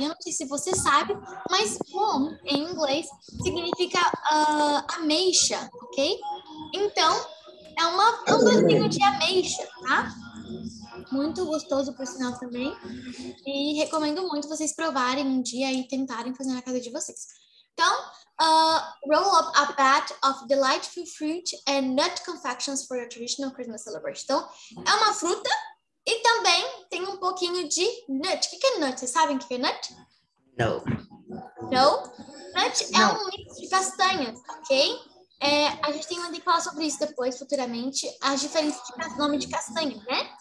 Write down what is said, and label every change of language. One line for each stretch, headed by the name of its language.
Portuguese: Eu não sei se você sabe, mas plum, em inglês, significa ameixa, ok? Então, é um docinho de ameixa, tá? Muito gostoso, por sinal, também. E recomendo muito vocês provarem um dia e tentarem fazer na casa de vocês.
English: Então, roll up a batch of delightful fruit and nut confections for your traditional Christmas celebration.
Portuguese: Então, é uma fruta e também tem um pouquinho de nut. O que é nut? Vocês sabem o que é nut? Não. Não? Nut é um mix de castanhas, ok? É, a gente tem que falar sobre isso depois, futuramente, as diferenças de nome de castanha, né?